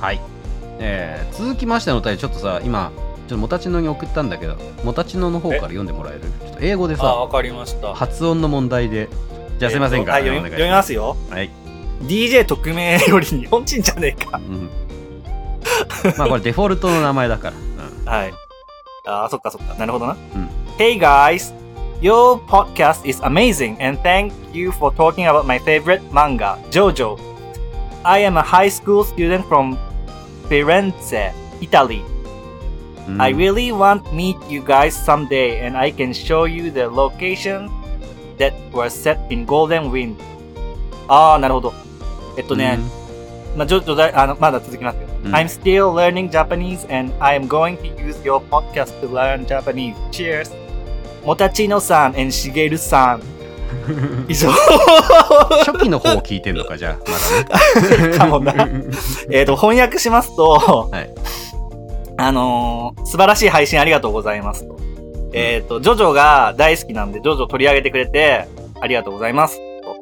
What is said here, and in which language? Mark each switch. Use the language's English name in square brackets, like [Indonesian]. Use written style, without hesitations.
[Japanese] はい、続きましてのお便り、ちょっとさ、今ちょっとモタチノに送ったんだけど、モタチノの方から読んでもらえる、ちょっと英語でさ。あ、わかりました。発音の問題で。じゃあすいませんから、はい、読みますよ。はい、 DJ 匿名より日本人じゃねえか。うん、まあこれデフォルトの名前だから、うん、はい。あ、そっかそっか、なるほどな、うん。 [English] Hey guysYour podcast is amazing and thank you for talking about my favorite manga, Jojo. I am a high school student from Firenze, Italy.、Mm. I really want to meet you guys someday and I can show you the location that was set in Golden Wind. [Japanese] Ah, なるほど。 Jojo、まだ続きますよ。 Mm. [English] I'm still learning Japanese and I am going to use your podcast to learn Japanese. Cheers! [Japanese] モタチノさん、エンシゲルさん。以上。初期の方を聞いてんのか、じゃあ。まだね。かもな。翻訳しますと、はい、素晴らしい配信ありがとうございますと。ジョジョが大好きなんで、ジョジョ取り上げてくれて、ありがとうございますと、